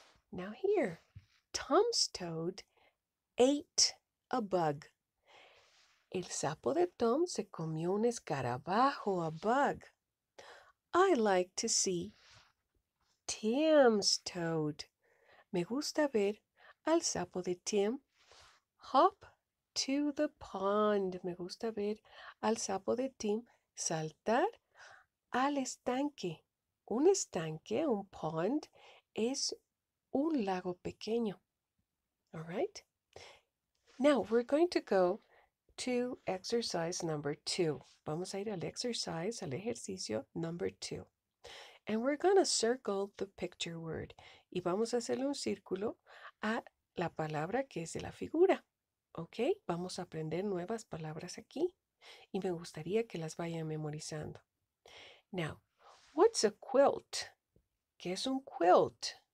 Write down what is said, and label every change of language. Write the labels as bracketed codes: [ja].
[en] Now here, Tom's toad ate a bug. [es] El sapo de Tom se comió un escarabajo, [en] a bug. I like to see Tim's toad. [es] Me gusta ver al sapo de Tim [en] hop to the pond. [es] Me gusta ver al sapo de Tim saltar al estanque. Un estanque, un pond, es un lago pequeño. [en] All right? Now, we're going to go to exercise number 2. [es] Vamos a ir al exercise, al ejercicio number 2. [en] And we're going to circle the picture word. [es] Y vamos a hacerle un círculo a la palabra que es de la figura. ¿Ok? Vamos a aprender nuevas palabras aquí. Y me gustaría que las vayan memorizando. [en] Now, what's a quilt? [es] ¿Qué es un quilt?